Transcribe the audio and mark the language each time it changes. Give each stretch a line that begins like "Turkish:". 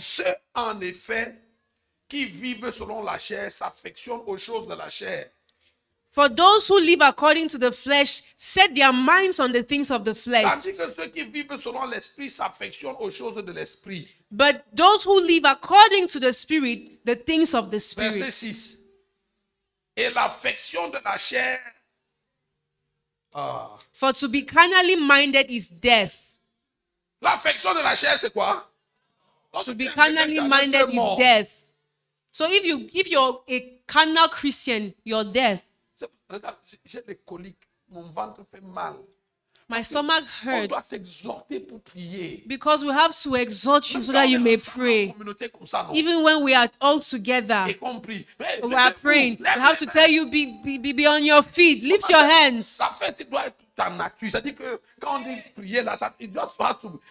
French: Ceux en effet qui vivent selon la chair s'affectionnent aux choses de la chair.
English: For those who live according to the flesh set their minds on the things of the flesh.
French: Ceux qui vivent selon l'esprit s'affectionnent aux choses de l'esprit.
English: But those who live according to the spirit, the things of the spirit.
French: Verset 6. Et l'affection de la chair.
English: For to be carnally minded is death.
French: L'affection de la chair c'est quoi?
English: To be carnally minded is death. So if you're a carnal Christian, you're death.
French: Regarde, j'ai des coliques. Mon ventre fait mal.
English: My stomach hurts.
French: On doit s'exhorter pour prier.
English: Because we have to exhort you so that you may pray. Even when we are all together,
French: y compris,
English: we are praying. We have to tell you, be on your feet. Lift your hands.
French: Ça fait, il doit être en nature. C'est-à-dire que quand on dit prier là, ça, il doit faire tout.